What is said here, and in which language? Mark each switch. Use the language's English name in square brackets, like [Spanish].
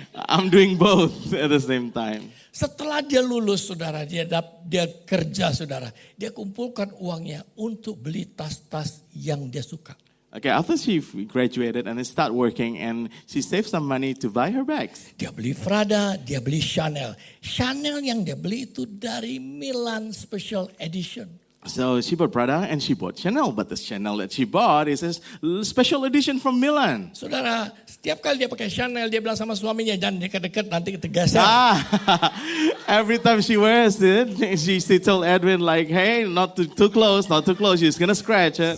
[English] I'm doing both at the same time. [Indonesian] Setelah dia lulus, saudara, dia kerja, saudara. Dia kumpulkan uangnya untuk beli tas-tas yang dia suka. [English] Okay, after she graduated and start working and she saved some money to buy her bags. [Indonesian] Dia beli Prada, dia beli Chanel. Chanel yang dia beli itu dari Milan Special Edition. [English] So she bought Prada and she bought Chanel, but the Chanel that she bought is a special edition from Milan. [Indonesian] Saudara, setiap kali dia pakai Chanel, dia bilang sama suaminya, jangan dekat-dekat, nanti ketegasan. [English] Ah, every time she wears it, she told Edwin like, hey, not too close, she's gonna scratch it.